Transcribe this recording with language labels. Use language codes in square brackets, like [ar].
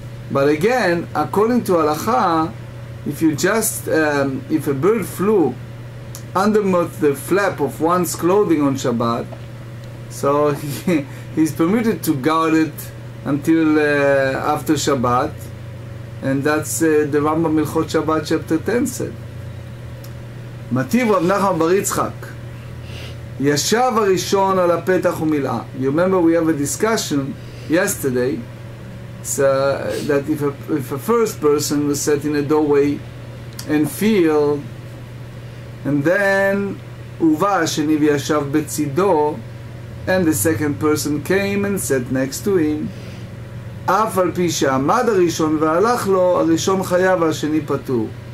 [en] But again, according to halacha, if you just if a bird flew under the flap of one's clothing on Shabbat, so he's permitted to guard it until after Shabbat, and that's the Rambam Hilchot Shabbat chapter 10 said. [he] מטיב רב נחמן בר יצחק ישב הראשון על הפתח ומילאה. [en] You remember we have a discussion yesterday that if a first person was set in a doorway and filled, and then [he] ובא השני וישב בצידו, [en] and the second person came and sat next to him, [he] אף על פי שעמד הראשון והלך לו, הראשון חייב והשני פטור.